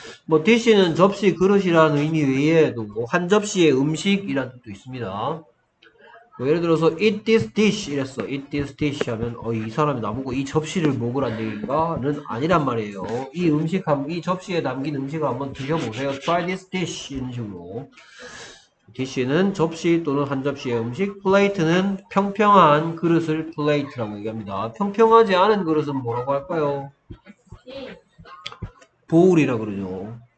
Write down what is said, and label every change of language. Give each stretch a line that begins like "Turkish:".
Korean: 뭐 dish는 접시, 그릇이라는 의미 외에도 뭐한 접시의 음식이라는 뜻도 있습니다. 뭐 예를 들어서
English: eat this dish
Korean: 이랬어. eat this dish 하면 이 사람이 나보고 이 접시를 먹으란 얘기인가?는 아니란 말이에요. 이 음식 한이 접시에 담긴 음식을 한번 드셔보세요.
English: try this dish
Korean: 이런 식으로. dish는 접시 또는 한 접시의 음식. plate는 평평한 그릇을 plate라고 얘기합니다. 평평하지 않은 그릇은 뭐라고 할까요? bowl이라 그러죠.